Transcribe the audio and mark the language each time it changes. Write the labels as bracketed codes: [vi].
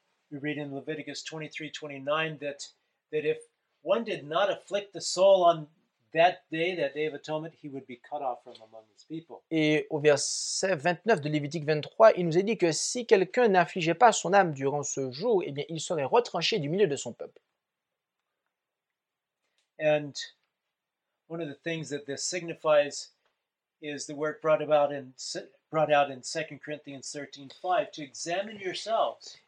[en] We read in Leviticus 23:29 that if one did not afflict the soul on that day of atonement, he would be cut off from among his people. [fr] Et au verset 29 de Lévitique 23, il nous est dit que si quelqu'un n'affligeait pas son âme durant ce jour, eh bien, il serait retranché du milieu de son peuple. [en] And one of the things that this signifies is the work brought out in 2 Corinthians 13:5 to examine yourselves.